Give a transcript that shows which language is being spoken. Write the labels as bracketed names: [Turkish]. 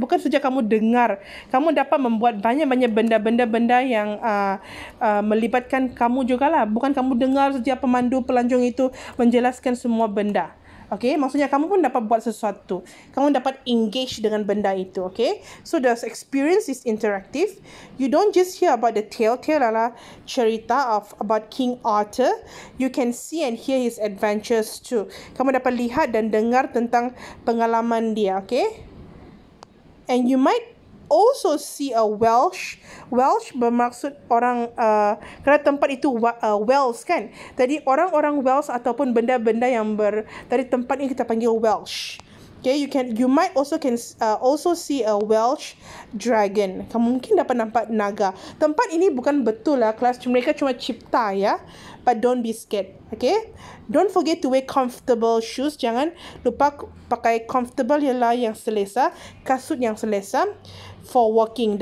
[Malay] Bukan saja kamu dengar, kamu dapat membuat banyak-banyak benda-benda-benda yang melibatkan kamu jugalah. Bukan kamu dengar setiap pemandu pelancong itu menjelaskan semua benda. Okay, maksudnya kamu pun dapat buat sesuatu. Kamu dapat engage dengan benda itu. [English] Okay, so the experience is interactive. You don't just hear about the tale lah, [Malay] cerita [English] of about King Arthur. You can see and hear his adventures too. [Malay] Kamu dapat lihat dan dengar tentang pengalaman dia. [English] Okay, and you might also see a Welsh. [Malay] Welsh bermaksud orang, kerana tempat itu Wales kan. Jadi orang-orang Wales ataupun benda-benda yang ber dari tempat ini kita panggil Welsh. [English] Okay, you can, you might also can also see a Welsh dragon. [Malay] Kamu mungkin dapat nampak naga. Tempat ini bukan betul lah, kelas. Mereka cuma cipta ya. [English] But don't be scared, okay? Don't forget to wear comfortable shoes. [Malay] Jangan lupa pakai comfortable ialah yang selesa, kasut yang selesa [English] for walking.